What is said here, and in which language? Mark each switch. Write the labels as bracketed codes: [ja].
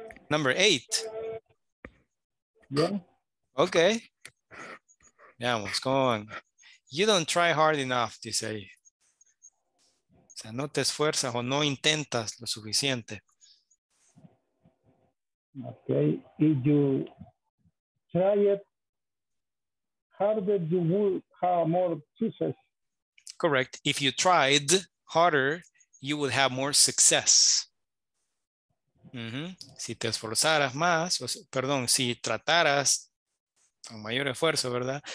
[en] Number eight? Yeah. Okay. Yeah, what's going on? You don't try hard enough, [es] dice. O sea, no te esfuerzas o no intentas lo suficiente. [en] Okay. If you try it harder, you will have more success. Correct. If you tried harder, you would have more success. Mm-hmm. [es] Si te esforzaras más, perdón, si trataras con mayor esfuerzo, ¿verdad?